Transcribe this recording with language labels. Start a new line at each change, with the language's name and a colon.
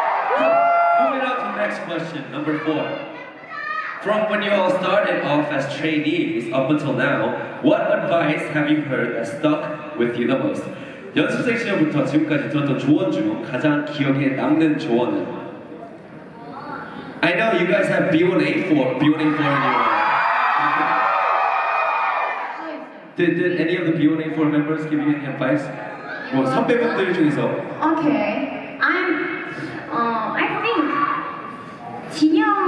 English: Okay. Moving on to the next question, number four. From when you all started off as trainees up until now, what advice have you heard that stuck with you the most?
Korean: 연습생 시절부터 지금까지 들었던 조언 중 가장 기억에 남는 조언은?
English: I know you guys have B1A4 in your life. Did any of the B1A4 members give you any advice?
Korean: 뭐 선배분들 중에서?
English: Okay, I think 진영